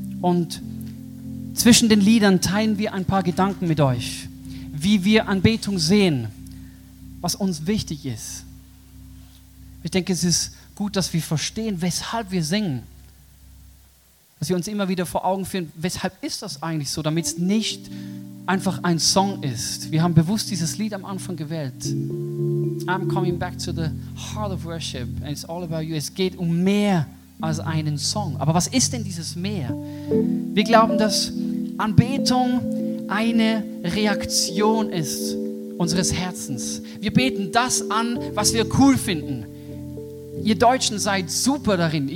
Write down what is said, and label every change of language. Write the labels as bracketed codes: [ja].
[de] Und zwischen den Liedern teilen wir ein paar Gedanken mit euch, wie wir Anbetung sehen, was uns wichtig ist. Ich denke, es ist gut, dass wir verstehen, weshalb wir singen. Dass wir uns immer wieder vor Augen führen, weshalb ist das eigentlich so, damit es nicht einfach ein Song ist. Wir haben bewusst dieses Lied am Anfang gewählt. [en] I'm coming back to the heart of worship and it's all about you. [de] Es geht um mehr als einen Song. Aber was ist denn dieses mehr? Wir glauben, dass Anbetung eine Reaktion ist unseres Herzens. Wir beten das an, was wir cool finden. Ihr Deutschen seid super darin.